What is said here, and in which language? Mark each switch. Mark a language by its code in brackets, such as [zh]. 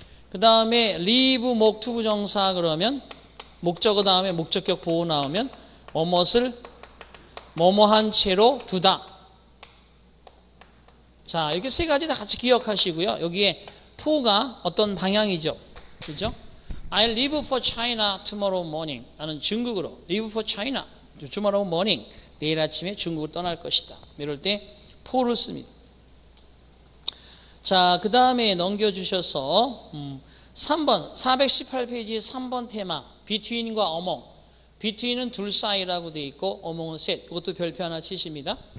[ko] 그 다음에 leave 목 to 부정사 그러면 목적어 다음에 목적격 보호 나오면 뭐뭇을 뭐뭇한 채로 두다. 자, 이렇게 세 가지 다 같이 기억하시고요. 여기에 for가 어떤 방향이죠. 그죠? [en] I leave for China tomorrow morning. [ko] 나는 중국으로 [en] leave for China tomorrow morning. [ko] 내일 아침에 중국을 떠날 것이다. 이럴 때 for를 씁니다. 자, 그 다음에 넘겨주셔서 3번 418페이지 3번 테마 between과 among. between은 둘 사이라고 되어 있고 among은 셋. 이것도 별표 하나 치십니다.